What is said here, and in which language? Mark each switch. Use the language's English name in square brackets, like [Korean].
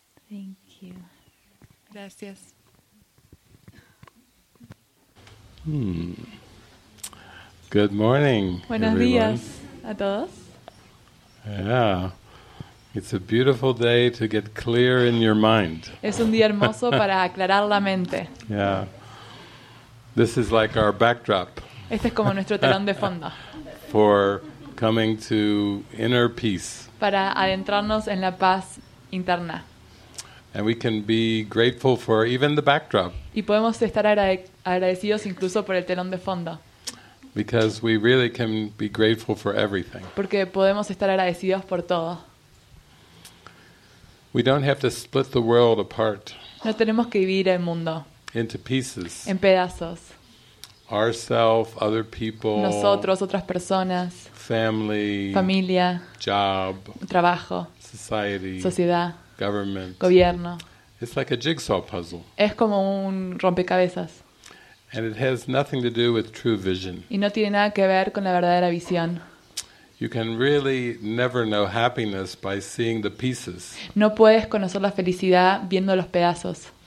[English] Thank you. [Spanish] Gracias. [English] Good morning. [Spanish] Buenos días a todos. Yeah. [English] It's a beautiful day to get clear in your mind. [Spanish] Es un día hermoso para aclarar la mente. [English] Yeah. This is like our backdrop. [Spanish] Este es como nuestro telón de fondo. [English] For coming to inner peace. [Spanish] Para adentrarnos en la paz interna. [English] And we can be grateful for even the backdrop. [Spanish] Y podemos estar agradecidos incluso por el telón de fondo. [English] Because we really can be grateful for everything. [Spanish] Porque podemos estar agradecidos por todo. [English] We don't have to split the world apart. [Spanish] No tenemos que dividir el mundo. [English] Into pieces. [Spanish] En pedazos. [English] Ourself, other people. [Spanish] Nosotros, otras personas. [English] Family. [Spanish] Familia. [English] Job. [Spanish] Trabajo. [English] Society. [Spanish] Sociedad. [English] Government. [Spanish] Gobierno. [English] It's like a jigsaw puzzle. [Spanish] Es como un rompecabezas. [English] And it has nothing to do with true vision. [Spanish] Y no tiene nada que ver con la verdadera visión. [English] You can really never know happiness by seeing the pieces. [Spanish] No puedes conocer la felicidad viendo los pedazos.